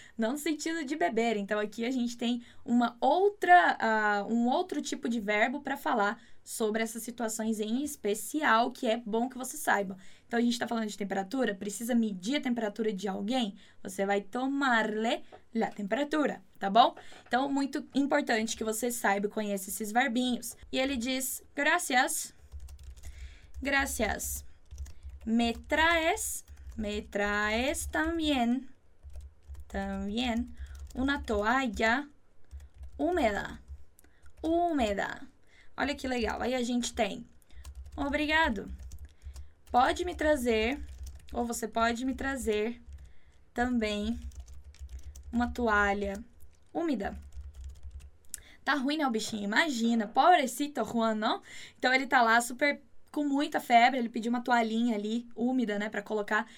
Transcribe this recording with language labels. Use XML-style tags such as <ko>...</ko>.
<pt>Não no sentido de beber. Então, aqui a gente tem uma outra, um outro tipo de verbo para falar sobre essas situações em especial, que é bom que você saiba. Então, a gente está falando de temperatura, precisa medir a temperatura de alguém, você vai tomar-lhe la temperatura, tá bom? Então, muito importante que você saiba e conheça esses verbinhos. E ele diz,</pt> <es>gracias, gracias, me traes también, también, una toalla húmeda, húmeda.</es> <pt>Olha que legal. Aí a gente tem, obrigado, pode me trazer, ou você pode me trazer também uma toalha úmida. Tá ruim, né, o bichinho? Imagina, pobrecito Juan, não? Então, ele tá lá super com muita febre, ele pediu uma toalhinha ali, úmida, né, pra colocar.</pt>